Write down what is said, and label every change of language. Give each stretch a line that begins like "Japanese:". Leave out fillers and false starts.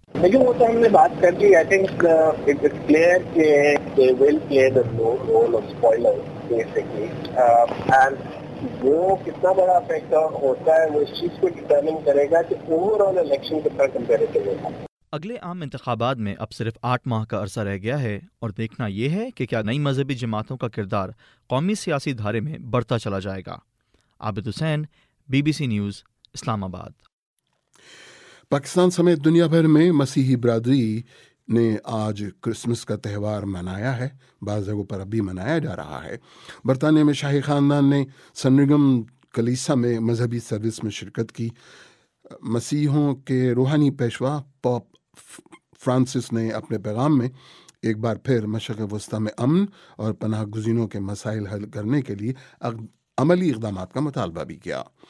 Urdu: لیکن وہ تو ہم نے بات کر دی,
English: I think it is clear کہ they will play the role of spoiler basically,
Urdu: and وہ کتنا بڑا فیکٹر ہوتا ہے وہ اس چیز کو ڈیٹرمن کرے گا کہ اوور آل الیکشن کتنا کمپیریٹو ہوگا. اگلے عام انتخابات میں اب صرف 8 ماہ کا عرصہ رہ گیا ہے, اور دیکھنا یہ ہے کہ کیا نئی مذہبی جماعتوں کا کردار قومی سیاسی دھارے میں بڑھتا چلا جائے گا. عابد حسین, بی بی سی نیوز, اسلام آباد. پاکستان سمیت دنیا بھر میں مسیحی برادری نے آج کرسمس کا تہوار منایا ہے, بعض جگہوں پر اب بھی منایا جا رہا ہے. برطانیہ میں شاہی خاندان نے سنرگم کلیسا میں مذہبی سروس میں شرکت کی. مسیحوں کے روحانی پیشوا پوپ فرانسس نے اپنے پیغام میں ایک بار پھر مشرق وسطی میں امن اور پناہ گزینوں کے مسائل حل کرنے کے لیے عملی اقدامات کا مطالبہ بھی کیا.